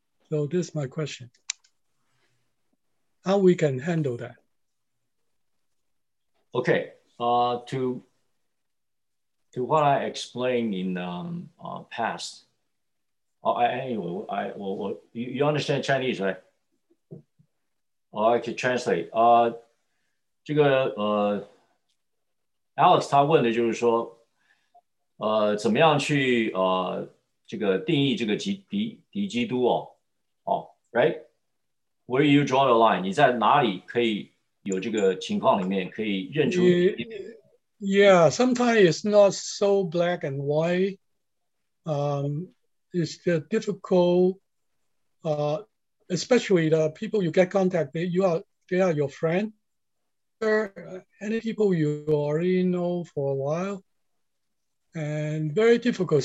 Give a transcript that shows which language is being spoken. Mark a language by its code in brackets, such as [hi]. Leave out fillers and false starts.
[en] So this is my question. How we can handle that? Okay. To what I explained in past. You understand Chinese, right? I can translate. [zh] 这个Alex 他问的就是说，怎么样去这个定义这个敌基督哦？哦 ，right? [en] Where you draw the line? [zh] 你在哪里可以有这个情况里面可以认出 [en] ？Yeah, sometimes it's not so black and white. It's the difficult. Especially the people you get contact, they are your friend. Any people you already know for a while, and very difficult.